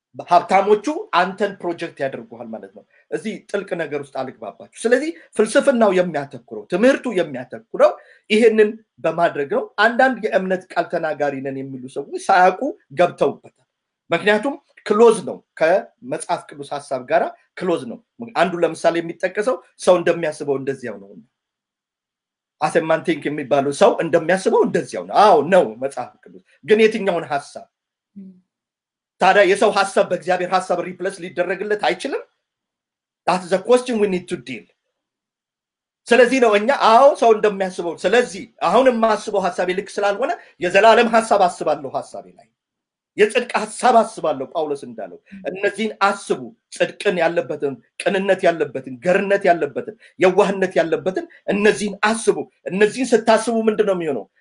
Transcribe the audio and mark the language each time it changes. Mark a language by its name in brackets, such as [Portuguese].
[Amharic] ሀብታሞቹ አንተን ፕሮጀክት ያደርጉሃል ማለት ነው። እዚህ ጥልቅ ነገር ውስጥ አልግባባችሁ። ስለዚህ ፍልስፍናው የሚያተኩረው ትምህርቱ የሚያተኩረው ይሄንን በማድረግ ነው። አንዳንድ የእምነት ቃል ተናጋሪ ነን የሚሉ ሰዎች ሳያውቁ ገብተውበታል። ምክንያቱም ክሎዝ ነው ከመጽሐፍ ቅዱስ ሐሳብ ጋር ክሎዝ ነው። አንዱ ለምሳሌ የሚጠቀሰው ሰው እንደሚያስበው እንደዚያው ነው። አሰማንቲንክ የሚባለው ሰው እንደሚያስበው እንደዚያው ነው። አዎ ነው። መጽሐፍ ቅዱስ ግን የትኛውን ሐሳብ ታዲያ የሰው ሐሳብ በእግዚአብሔር ሐሳብ ሪፕሌስ ሊደረግለት አይችልም? [English] That is a question we need to deal. [Amharic] ስለዚህ ነው እኛ አዎ ሰው እንደሚያስበው ስለዚህ አሁን ማስበው ሐሳብ ይልክ ስላልሆነ የዘላለም ሐሳብ አስባለሁ ሐሳቤ ላይ የጽድቅ ሐሳብ አስባለሁ ጳውሎስ እንዳለው እነዚህን አስቡ ጽድቅን ያለበትን ቅንነት ያለበትን ገርነት ያለበትን የዋህነት ያለበትን እነዚህን አስቡ። እነዚህን ስታስቡ ምንድነው የሚሆነው?